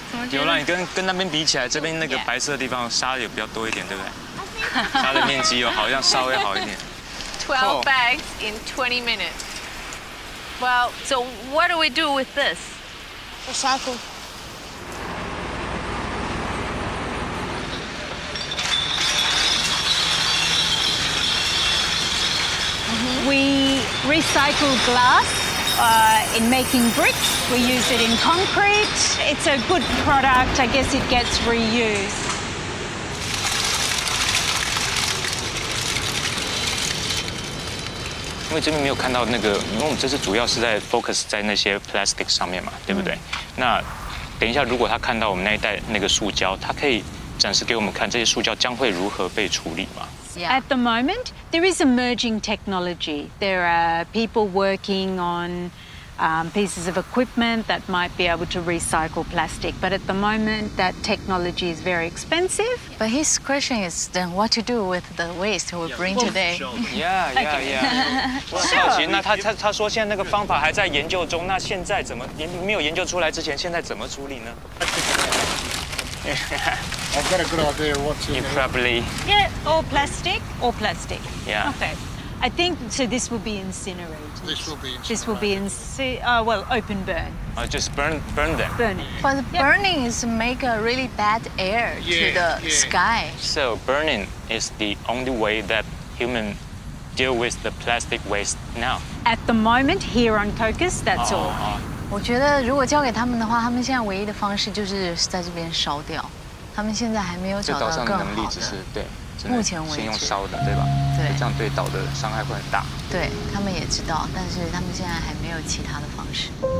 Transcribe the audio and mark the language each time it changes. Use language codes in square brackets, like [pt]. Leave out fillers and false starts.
[zh] 有啦，你跟那边比起来，这边那个白色的地方沙也比较多一点，对不对？沙的面积有好像稍微好一点。 [en] 12 bags in 20 minutes. Well, so what do we do with this? Recycle. We recycle glass in making bricks. We use it in concrete. It's a good product. I guess it gets reused. [zh] 因为这边没有看到那个，因为我们这次主要是在 focus 在那些 plastic 上面嘛，对不对？那等一下，如果他看到我们那一袋那个塑胶，他可以展示给我们看这些塑胶将会如何被处理吗？ [en] At the moment, there is emerging technology. There are people working on pieces of equipment that might be able to recycle plastic. But at the moment, that technology is very expensive. But his question is then what to do with the waste we bring today? Yeah. I've got a good idea what to do. All plastic. Yeah. Okay. I think, so this will be incinerated. This will be open burn. Just burn them. But burning is make a really bad air to the sky. So burning is the only way that human deal with the plastic waste now. At the moment, here on Cocos, that's all. [zh] 我觉得如果交给他们的话，他们现在唯一的方式就是在这边烧掉。他们现在还没有找到更好的。能力只是对，目前为止先用烧的，对吧？对，这样对岛的伤害会很大。对他们也知道，但是他们现在还没有其他的方式。